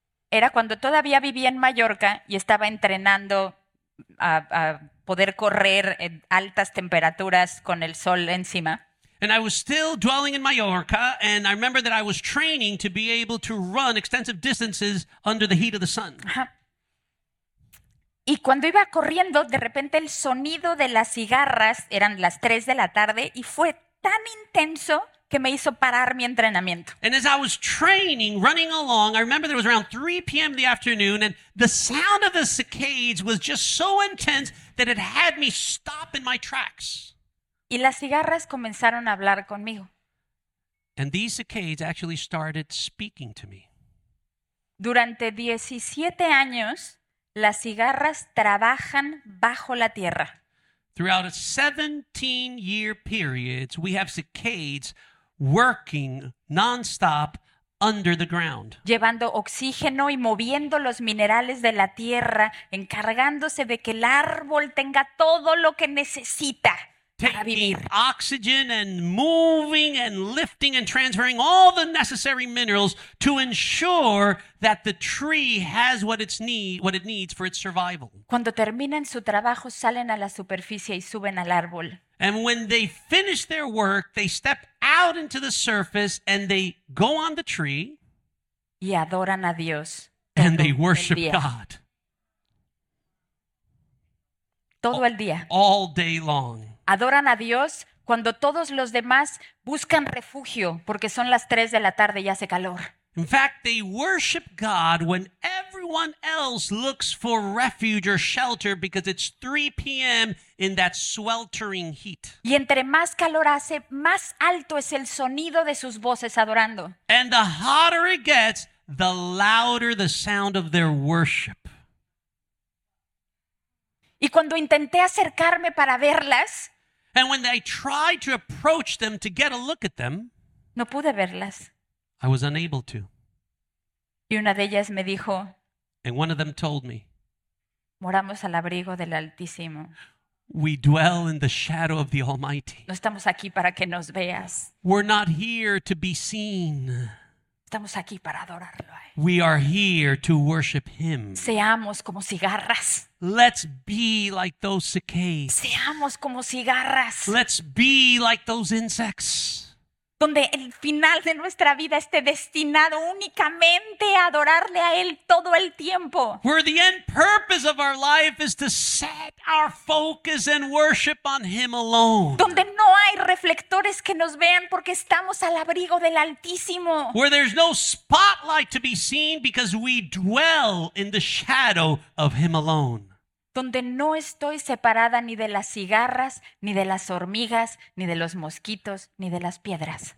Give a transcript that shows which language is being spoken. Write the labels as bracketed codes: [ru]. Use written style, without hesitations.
[es] Era cuando todavía vivía en Mallorca y estaba entrenando a poder correr en altas temperaturas con el sol encima. [en] And I was still dwelling in Mallorca, and I remember that I was training to be able to run extensive distances under the heat of the sun. [es] Y cuando iba corriendo, de repente el sonido de las cigarras, eran las 3 de la tarde, y fue tan intenso que me hizo parar mi entrenamiento. [en] And as I was training, running along, I remember there was around 3 p.m. in the afternoon, and the sound of the cicadas was just so intense that it had me stop in my tracks. [es] Y las cigarras comenzaron a hablar conmigo. [en] And these cicadas actually started speaking to me. [es] Durante 17 años, las cigarras trabajan bajo la tierra. [en] Throughout a 17-year period, we have cicadas working nonstop under the ground. [es] Llevando oxígeno y moviendo los minerales de la tierra, encargándose de que el árbol tenga todo lo que necesita para vivir. [en] Taking oxygen and moving and lifting and transferring all the necessary minerals to ensure that the tree has what it needs for its survival. [es] Cuando terminan su trabajo, salen a la superficie y suben al árbol. [en] And when they finish their work, they step out into the surface and they go on the tree [es] y adoran a Dios [en] and they worship God [es] todo el día, [en] all day long. [es] Adoran a Dios cuando todos los demás buscan refugio porque son las 3 de la tarde y hace calor. [en] In fact, they worship God when everyone else looks for refuge or shelter because it's 3 p.m. in that sweltering heat. [es] Y entre más calor hace, más alto es el sonido de sus voces adorando. [en] And the hotter it gets, the louder the sound of their worship. [es] Y cuando intenté acercarme para verlas, [en] and when they tried to approach them to get a look at them, [es] no pude verlas. [en] I was unable to. [es] Y una de ellas me dijo, [en] and one of them told me, [es] moramos al abrigo del Altísimo. [en] We dwell in the shadow of the Almighty. [es] No estamos aquí para que nos veas. [en] We're not here to be seen. [es] Estamos aquí para adorarlo. [en] We are here to worship Him. [es] Seamos como cigarras. [en] Let's be like those cicadas. [es] Seamos como cigarras. [en] Let's be like those insects. [es] Donde el final de nuestra vida esté destinado únicamente a adorarle a Él todo el tiempo. [en] Where the end purpose of our life is to set our focus and worship on Him alone. [es] Donde no hay reflectores que nos vean porque estamos al abrigo del Altísimo. [en] Where there's no spotlight to be seen because we dwell in the shadow of Him alone. [es] Donde no estoy separada ni de las cigarras, ni de las hormigas, ni de los mosquitos, ni de las piedras.